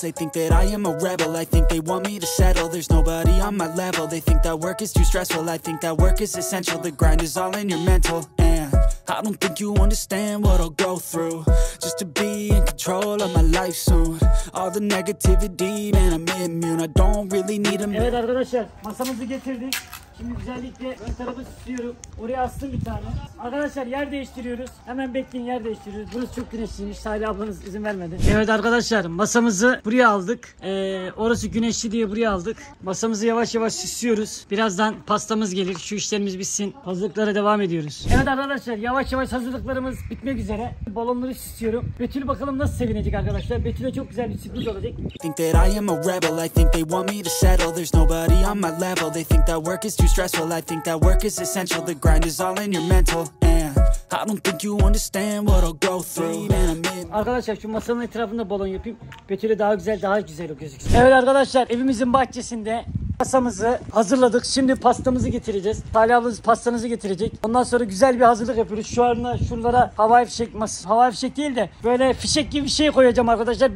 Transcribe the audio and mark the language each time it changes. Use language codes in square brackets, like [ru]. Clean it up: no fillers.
[en] They think that I am a rebel. I think they want me to settle. There's nobody on my level. They think that work is too stressful. I think that work is essential. The grind is all in your mental. And I don't think you understand what I'll go through just to be in control of my life soon. All the negativity, man, I'm immune. I don't really need a man. [tr] Evet arkadaşlar, masamızı getirdik. Şimdi güzellikle ön tarafı süslüyorum. Oraya astım bir tane. Arkadaşlar yer değiştiriyoruz. Hemen bekleyin, yer değiştiriyoruz. Burası çok güneşliymiş. Salih ablanız izin vermedi. Evet arkadaşlar, masamızı buraya aldık. Orası güneşli diye buraya aldık. Masamızı yavaş yavaş süslüyoruz. Birazdan pastamız gelir. Şu işlerimiz bitsin. Hazırlıklara devam ediyoruz. Evet arkadaşlar, yavaş yavaş hazırlıklarımız bitmek üzere. Balonları süslüyorum. Betül bakalım nasıl sevinecek arkadaşlar. Betül'e çok güzel bir sürpriz olacak. [en] Think that I am a rebel. I think they want me to settle. There's nobody on my level. They think that work is too stressful. I think that work is essential. The grind is all in your mental. And I don't think you understand what I'll go through. [tr] Arkadaşlar şu masanın etrafında balon yapayım. Betül'e daha güzel, daha güzel o gözüksün. Evet arkadaşlar, evimizin bahçesinde masamızı hazırladık. Şimdi pastamızı getireceğiz. Talha ablanız pastanızı getirecek. Ondan sonra güzel bir hazırlık yapıyoruz. Şu anda şunlara havai fişek, havai fişek değil de böyle fişek gibi bir şey koyacağım arkadaşlar.